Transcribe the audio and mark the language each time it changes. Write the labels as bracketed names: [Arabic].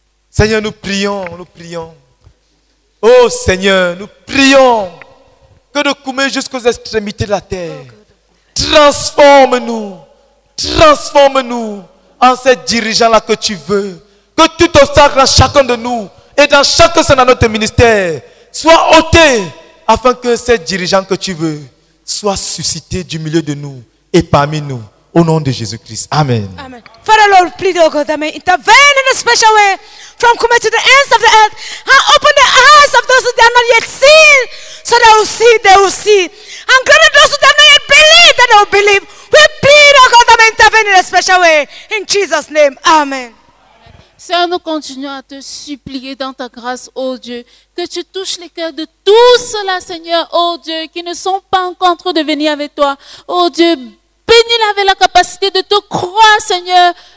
[French] Seigneur, nous prions, nous prions. Oh Seigneur, nous prions que de Kume jusqu'aux extrémités de la terre, transforme-nous en ces dirigeants-là que tu veux. Que tout obstacle à chacun de nous et dans chaque sein de notre ministère soit ôté afin que ces dirigeants que tu veux soient suscités du milieu de nous et parmi nous. Au nom de Jésus-Christ. Amen. Amen. [English] Father Lord, please, O God, that may intervene in a special way from coming to the ends of the earth and open the eyes of those who have not yet seen so they will see, they will see. And grant those who have not yet believed that they will believe. We plead, O God, that may intervene in a special way. In Jesus' name. Amen. [French] Seigneur, nous continuons à te supplier dans ta grâce, ô Dieu, que tu touches les cœurs de tous ceux-là, Seigneur, ô Dieu, qui ne sont pas en contre de venir avec toi. Ô Dieu, bénis-les avec la capacité de te croire, Seigneur.